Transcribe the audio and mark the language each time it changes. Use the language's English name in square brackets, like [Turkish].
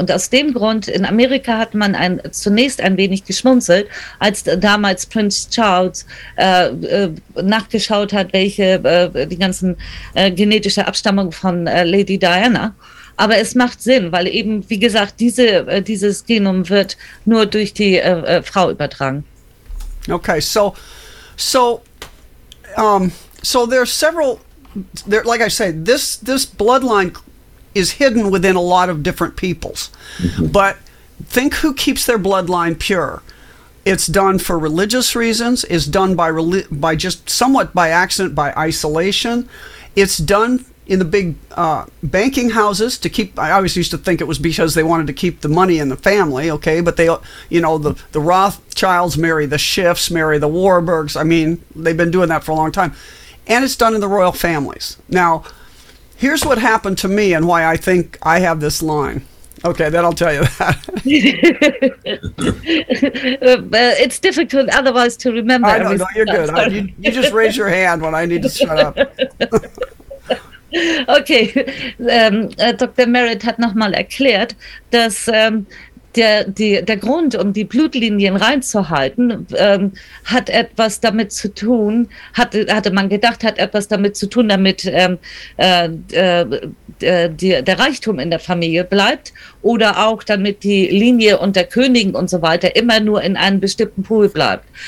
[German] Und aus dem Grund, in Amerika hat man zunächst ein wenig geschmunzelt, als damals Prinz Charles nachgeschaut hat, welche die ganzen genetische Abstammung von Lady Diana. Aber es macht Sinn, weil eben, wie gesagt, dieses Genom wird nur durch die Frau übertragen. [English] Okay, so there are several, there, like I say, this bloodline is hidden within a lot of different peoples. Mm-hmm. But think who keeps their bloodline pure. It's done for religious reasons, it's done by just somewhat by accident, by isolation. It's done in the big banking houses to keep, I always used to think it was because they wanted to keep the money in the family, okay? But they, you know, the Rothschilds marry the Schiffs, marry the Warburgs. I mean, they've been doing that for a long time. And it's done in the royal families. Now, here's what happened to me and why I think I have this line. Okay, then I'll tell you that. It's difficult otherwise to remember. I know, no, you're good. You just raise your hand when I need to shut up. Okay, Dr. [German] Merritt hat nochmal erklärt, dass der Grund, um die Blutlinien reinzuhalten, hat etwas damit zu tun, hatte man gedacht, hat etwas damit zu tun, damit der Reichtum in der Familie bleibt, oder auch damit die Linie unter Königen und so weiter immer nur in einem bestimmten Pool bleibt.